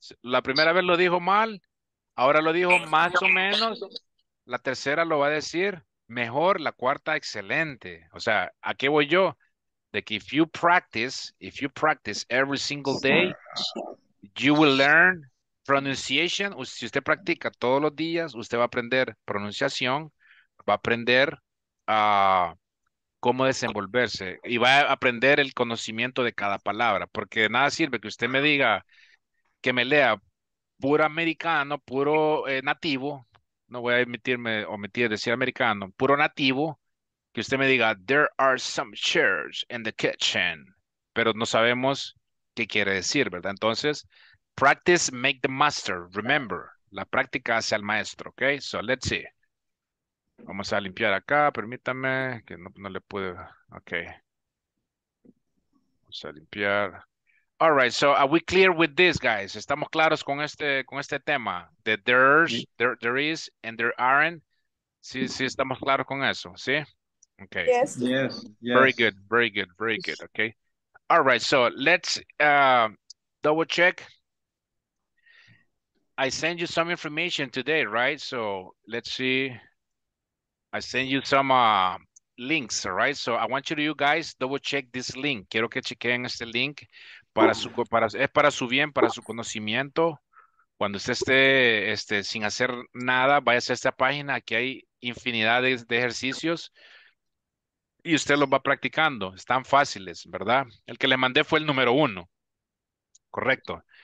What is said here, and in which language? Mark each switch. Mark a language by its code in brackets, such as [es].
[es] La primera vez lo dijo mal, ahora lo dijo más o menos. La tercera lo va a decir mejor, la cuarta excelente. O sea, ¿a qué voy yo? De que [en] if you practice every single day, you will learn pronunciation. [es] Si usted practica todos los días, usted va a aprender pronunciación, va a aprender cómo desenvolverse y va a aprender el conocimiento de cada palabra, porque de nada sirve que usted me diga, que me lea puro americano, puro nativo, no voy a decir americano, puro nativo, que usted me diga, [en] there are some chairs in the kitchen, [es] pero no sabemos qué quiere decir, ¿verdad? [en] Entonces, practice make the master, remember, [es] la práctica hace al maestro, [en] ¿ok? So, let's see. [es] Vamos a limpiar acá, permítame, que no le puedo, ok. Vamos a limpiar. [en] All right, so are we clear with this, guys? [es] ¿Estamos claros con este tema? [en] That there is and there aren't. [es] Sí, sí, estamos claros con eso, ¿sí? Okay. [en] Yes. Very good. Very good. Very good. Okay. All right. So let's double check. I sent you some information today, right? So let's see. I sent you some links, all right? So I want you guys double check this link. [es] Quiero que chequeen este link para su conocimiento. Cuando usted esté sin hacer nada, váyase a esta página. Aquí hay infinidades de ejercicios. Y usted los va practicando. Están fáciles, ¿verdad? El que le mandé fue el número uno. Correcto.